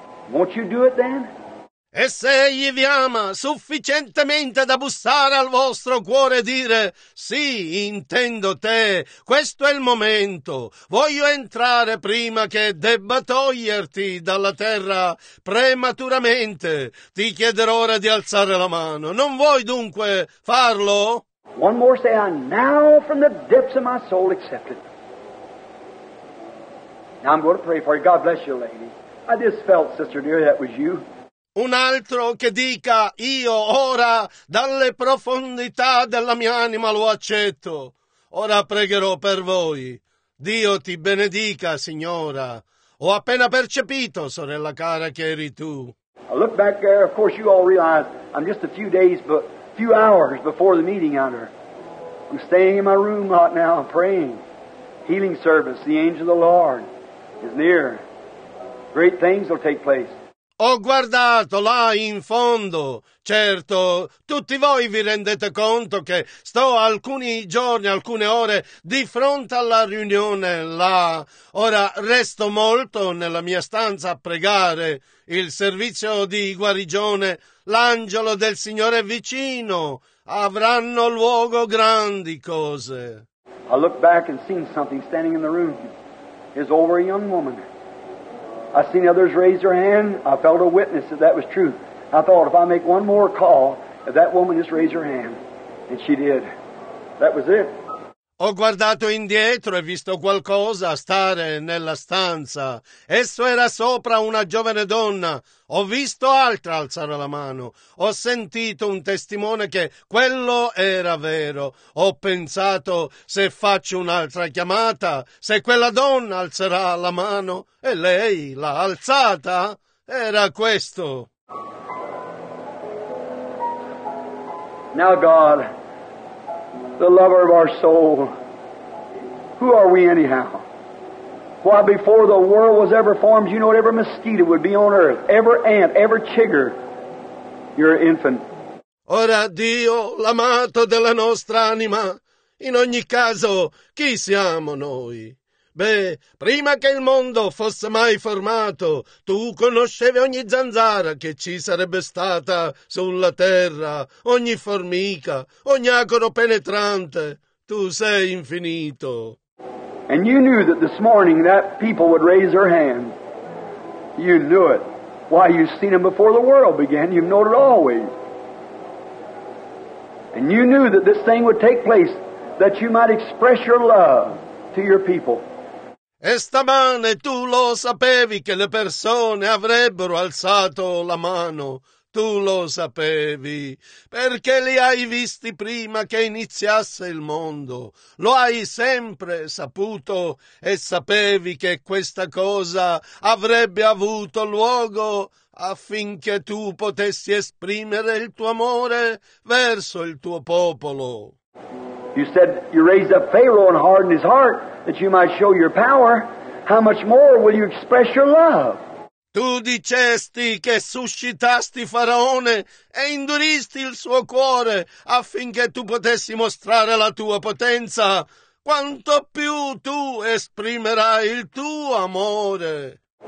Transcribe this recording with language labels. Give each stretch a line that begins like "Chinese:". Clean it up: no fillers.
English: Won't you do it then?
Italian: E se egli vi ama sufficientemente da bussare al vostro cuore e dire, sì, intendo te, questo è il momento, voglio entrare prima che debba toglierti dalla terra prematuramente, ti chiederò ora di alzare la mano. Non vuoi dunque farlo?
English: One more say, I now from the depths of my soul accept it. Now I'm going to pray for you. God bless you, lady. I just felt, sister dear, that was you.
Italian: Un altro che dica, io ora, dalle profondità della mia anima lo accetto. Ora pregherò per voi. Dio ti benedica, signora. Ho appena percepito, sorella cara, che eri tu.
English: I look back there, of course you all realize, I'm just a few days, but a few hours before the meeting out here. I'm staying in my room right now, praying. Healing service, the angel of the Lord is near. Great things will take place.
Italian: Ho guardato là in fondo. Certo, tutti voi vi rendete conto che sto alcuni giorni, alcune ore di fronte alla riunione là. Ora resto molto nella mia stanza a pregare. Il servizio di guarigione, l'angelo del Signore è vicino. Avranno luogo grandi cose.
English: I look back and seen something standing in the room. It's over a young woman. I seen others raise their hand. I felt a witness that that was true. I thought, if I make one more call, if that woman just raised her hand. And she did. That was it.
Italian: Ho guardato indietro e visto qualcosa stare nella stanza. Esso era sopra una giovane donna. Ho visto altra alzare la mano. Ho sentito un testimone che quello era vero. Ho pensato, se faccio un'altra chiamata, se quella donna alzerà la mano, e lei l'ha alzata, era questo.
English: Now God, the lover of our soul, who are we anyhow? Why, before the world was ever formed, you know what every mosquito would be on earth, every ant, every chigger, you're an infant.
Italian: Ora Dio, l'amato della nostra anima, in ogni caso, chi siamo noi? Beh, prima che il mondo fosse mai formato, tu conoscevi ogni zanzara che ci sarebbe stata sulla terra, ogni formica, ogni acoro penetrante. Tu sei infinito.
English: And you knew that this morning that people would raise their hand. You knew it. Why, you've seen them before the world began. You've known it always. And you knew that this thing would take place, that you might express your love to your people.
Italian: E stamane tu lo sapevi che le persone avrebbero alzato la mano. tu lo sapevi, perché li hai visti prima che iniziasse il mondo. Lo hai sempre saputo e sapevi che questa cosa avrebbe avuto luogo affinché tu potessi esprimere il tuo amore verso il tuo popolo.
English: You said you raised up Pharaoh and hardened his heart that you might show your power. How much more will you express your love?
Italian: Tu dicesti che suscitasti Faraone e induristi il suo cuore affinché tu potessi mostrare la tua potenza. Quanto più tu esprimerai il tuo amore.